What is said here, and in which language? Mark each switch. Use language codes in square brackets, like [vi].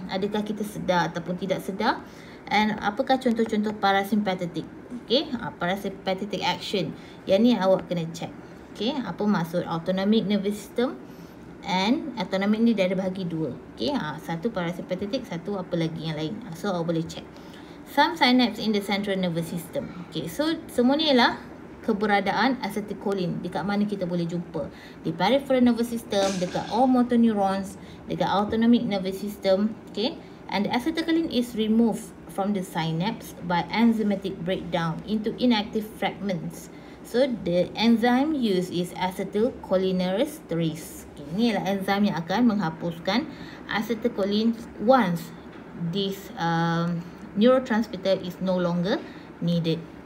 [ms] Adakah kita sedar ataupun tidak sedar? And apakah contoh-contoh parasympathetic? Okay, parasympathetic action. Yang ni awak kena check. Okay, apa maksud autonomic nervous system? And autonomic ni dia ada bahagi dua. Okay, satu parasympathetic, satu apa lagi yang lain. So, awak boleh check. [en] Some synapse in the central nervous system. [ms] Okay, so semua ni ialah keberadaan acetylcholine. Dekat mana kita boleh jumpa? Di peripheral nervous system, dekat [en] all motor neurons, [ms] dekat autonomic nervous system. [en] Okay, and the acetylcholine is removed from the synapse by enzymatic breakdown into inactive fragments. So, the enzyme used is acetylcholinerase 3. [ms] Okay, ini ialah enzim yang akan menghapuskan acetylcholine [en] once this neurotransmitter is no longer needed.